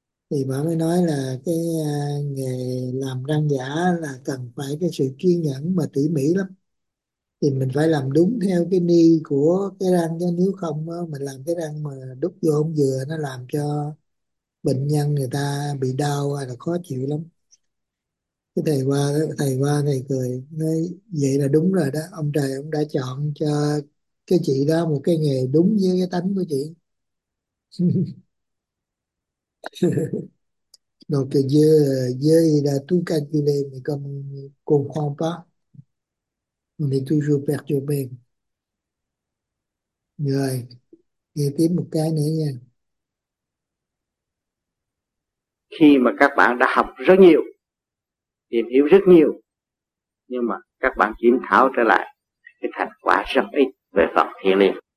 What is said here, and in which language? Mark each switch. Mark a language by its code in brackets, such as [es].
[vi] Thì bà mới nói là cái nghề làm răng giả là cần phải cái sự kiên nhẫn mà tỉ mỉ lắm, thì mình phải làm đúng theo cái ni của cái răng, chứ nếu không đó, mình làm cái răng mà đút vô không vừa nó làm cho bệnh nhân người ta bị đau hay là khó chịu lắm. Cái thầy cười nói vậy là đúng rồi đó, ông trời ông đã chọn cho cái chị đó một cái nghề đúng với cái tánh của chị. [fr] Donc Dieu il a tout calculé, mais comme on ne comprend pas, on est toujours perturbé. [vi] Rồi, nghe tiếp một cái nữa nha. Khi mà các bạn đã học rất nhiều, tìm hiểu rất nhiều, nhưng mà các bạn kiểm thảo trở lại, cái thành quả rất ít về phần thiền liên.